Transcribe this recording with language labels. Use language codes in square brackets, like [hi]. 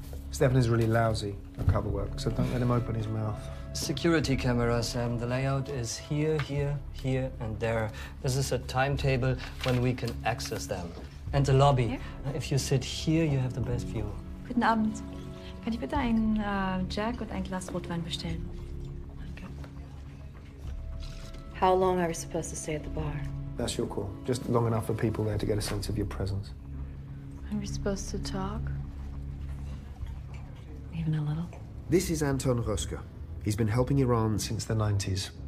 [en] Stefan is really lousy at cover work, so don't let him open his mouth. Security camera, Sam. The layout is here, here, here, and there. This is a timetable when we can access them. And the lobby. Here? If you sit here, you have the best view. [de] Guten Abend. Kann ich bitte ein Jack und ein Glas Rotwein bestellen? Danke. [en] How long are we supposed to stay at the bar? That's your call. Just long enough for people there to get a sense of your presence. Are we supposed to talk? Even a little? This is Anton Roska. He's been helping Iran since the 90s.